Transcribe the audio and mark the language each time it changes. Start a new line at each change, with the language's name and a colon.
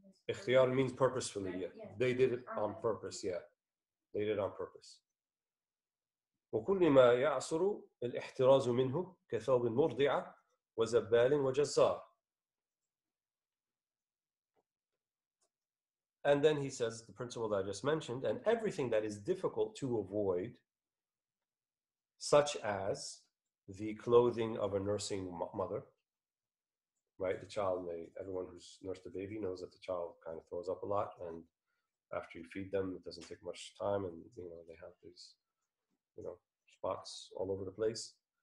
English: Ikhtiyar means purposefully, yeah. They did it on purpose, yeah. They did it on purpose.
Arabic: وكل ما يعصر الاحتراز منه كثوب مرضعة وزبال وجزار.
English: And then he says the principle that I just mentioned, and everything that is difficult to avoid, such as the clothing of a nursing mother, right? The child may, everyone who's nursed a baby knows that the child kind of throws up a lot, and after you feed them, it doesn't take much time, and you know they have these, you know, spots all over the place.